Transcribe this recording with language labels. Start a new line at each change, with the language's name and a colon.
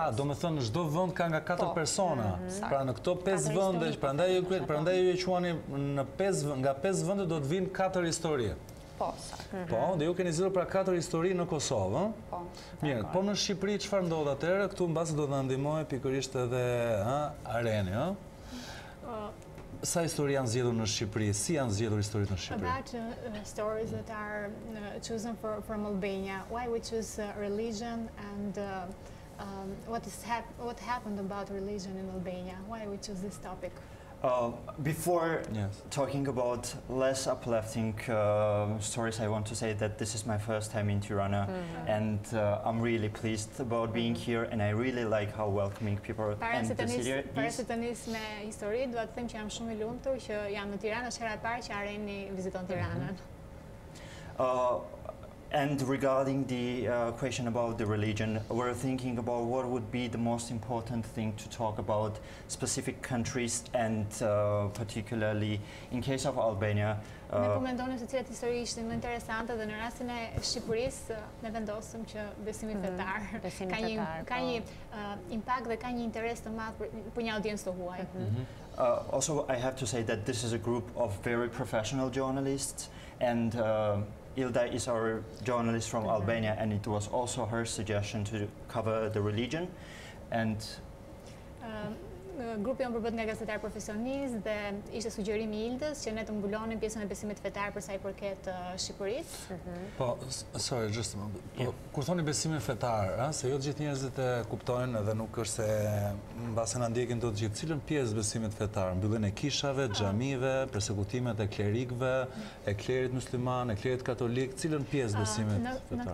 Albanian: A, do të thonë çdo vend ka nga 4 persona. Pra në këto 5 vende, prandaj ju e quani në 5 nga 5 vende do të vinë 4 histori. Po, sa. Po, dhe ju keni zhvilluar pra 4 histori në Kosovë, ëh? Po. Mirë, po në Shqipëri çfarë ndodh atëherë? Ktu mbas do të na ndihmoj pikërisht edhe Areni, ëh? Sa histori janë zgjedhur në Shqipëri? Si janë zgjedhur historitë në Shqipëri?
English: About stories that are chosen from Albania. Why we choose religion and what happened about religion in Albania? Why we choose this topic? Before talking about less uplifting stories, I want to say that this is my first time in Tirana, and I'm really pleased about being here, and I really like how welcoming people and the city is.
Albanian: Para se të nisë me histori, do të them që jam shumë I lumtur që jam në Tiranë, është hera e parë që Areni viziton Tiranën.
English: And regarding the question about the religion, we're thinking about what would be the most important thing to talk about specific countries and particularly in case of Albania.
Albanian: Ne po mendonim se cilat histori ishin më interesante dhe në rastin e Shqipërisë ne vendosëm që besimi fetar ka një impact dhe ka një interes të madh për një audiencë të huaj.
English: Also I have to say that this is a group of very professional journalists and Ilda is our journalist from Albania, and it was also her suggestion to cover the religion. And
Albanian: grupi jonë përbëhet nga gazetarë profesionistë dhe ishte sugjerimi I Ildës që ne të mbulonim pjesën e besimit fetar për sa I përket Shqipërisë. Po,
English: sorry, just a moment.
Albanian: Po, kur thoni besimin fetar, se jo të gjithë njerëzit e kuptojnë dhe nuk është se mbase na ndjekin të gjithë, cilën pjesë besimit fetar, mbylljen e kishave, xhamive, përsekutimet e klerikëve, e klerit musliman, e klerit katolik, cilën pjesë besimit fetar?